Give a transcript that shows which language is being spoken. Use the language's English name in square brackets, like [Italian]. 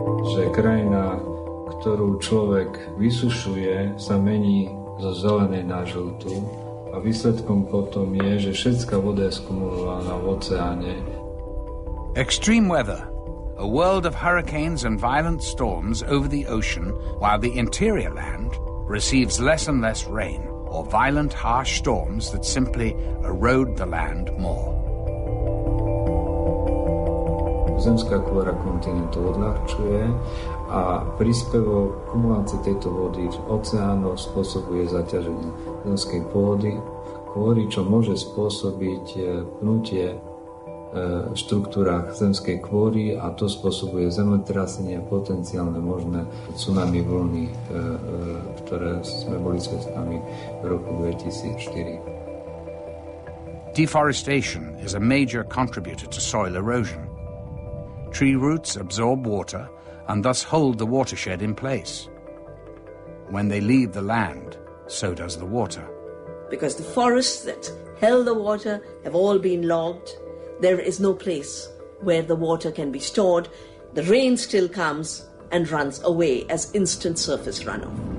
[Slovak] Že krajina, ktorú človek vysušuje, sa mení zo zelenej na žltú a výsledkom potom je, že všetká voda je skumulovaná v oceáne. [English] Extreme weather. A world of hurricanes and violent storms over the ocean, while the interior land receives less and less rain, or violent, harsh storms that simply erode the land more. [Slovak] Zemská kôra kontinentu odľahčuje a príspevok kumulácie tejto vody v oceánoch spôsobuje zaťaženie zemskej pôdy, kvôli čo môže spôsobiť pnutie v štruktúrach zemskej kôry a to spôsobuje zemetrasenie a potenciálne možné tsunami vlny, ktoré sme boli svedkami v roku 2004. [English] Deforestation is a major contributor to soil erosion. Tree roots absorb water and thus hold the watershed in place. When they leave the land, so does the water. Because the forests that held the water have all been logged. There is no place where the water can be stored. The rain still comes and runs away as instant surface runoff.